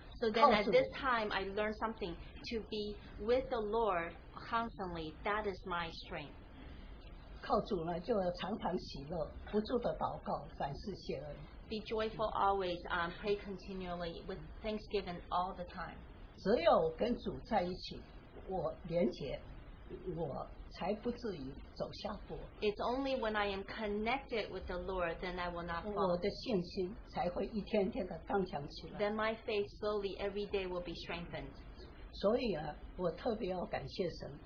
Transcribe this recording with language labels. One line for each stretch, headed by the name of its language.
English: So then at this time, I learned something. To be with the Lord constantly, that is my strength.
Chinese: 靠主呢，就常常喜乐，不住的祷告，凡事谢恩。
English: Be joyful always, pray continually with thanksgiving all the time.
Chinese: 只有跟主在一起，我连结，我才不至于走下坡。
English: It's only when I am connected with the Lord, then I will not fall.
Chinese: 我的信心才会一天天的刚强起来。
English: Then my faith slowly every day will be strengthened.
Chinese: 所以啊，我特别要感谢神。